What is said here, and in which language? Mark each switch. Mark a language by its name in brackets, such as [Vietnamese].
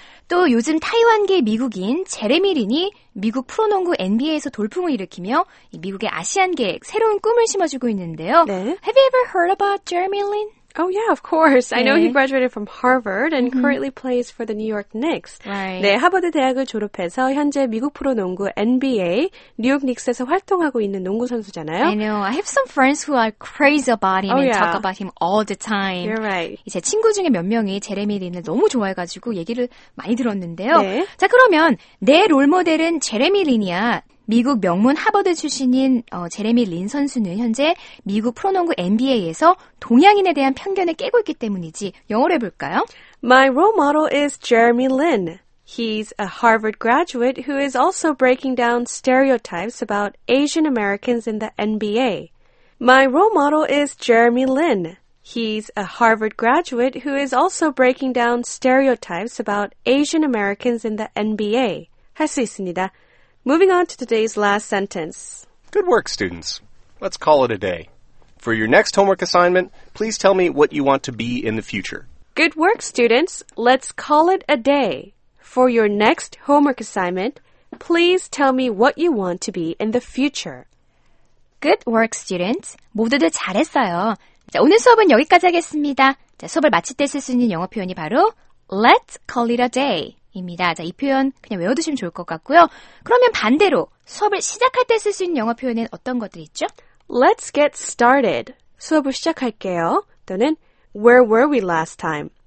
[Korean] 또 요즘 타이완계 미국인 제레미 린이 미국 프로농구 NBA에서 돌풍을 일으키며 미국의 아시안계 새로운 꿈을 심어주고 있는데요. 네. [English] Have you ever heard about Jeremy Lin? Oh, yeah, of course. 네. I know he graduated from Harvard and currently plays for the New York Knicks. Right. [Korean] 네, 하버드 대학을 졸업해서 현재 미국 프로농구 NBA, 뉴욕 닉스에서 활동하고 있는 농구 선수잖아요. [English] I know. I have some friends who are crazy about him oh, and yeah. talk about him all the time. You're right. [Korean] 제 친구 중에 몇 명이 제레미 린을 너무 좋아해가지고 얘기를 많이 들었는데요. 네. 자, 그러면 내 롤모델은 제레미 린이야. 미국 명문 하버드 출신인 제레미 린 선수는 현재 미국 프로농구 NBA에서 동양인에 대한 편견을 깨고 있기 때문이지 영어로 해볼까요? [English] My role model is Jeremy Lin. He's a Harvard graduate who is also breaking down stereotypes about Asian Americans in the NBA. My role model is Jeremy Lin. He's a Harvard graduate who is also breaking down stereotypes about Asian Americans in the NBA. [Korean] 할 수 있습니다. [English] Moving on to today's last sentence. Good work, students. Let's call it a day. For your next homework assignment, please tell me what you want to be in the future. Good work, students. Let's call it a day. For your next homework assignment, please tell me what you want to be in the future. Good work, students. [Korean] 모두들 잘했어요. 자, 오늘 수업은 여기까지 하겠습니다. 자, 수업을 마칠 때 쓸 수 있는 영어 표현이 바로 [English] Let's call it a day. [Korean] 입니다. 자, 이 표현 그냥 외워두시면 좋을 것 같고요. 그러면 반대로 수업을 시작할 때 쓸 수 있는 영어 표현은 어떤 것들 있죠? [English] Let's get started. [Korean] 수업을 시작할게요. 또는 [English] Where were we last time?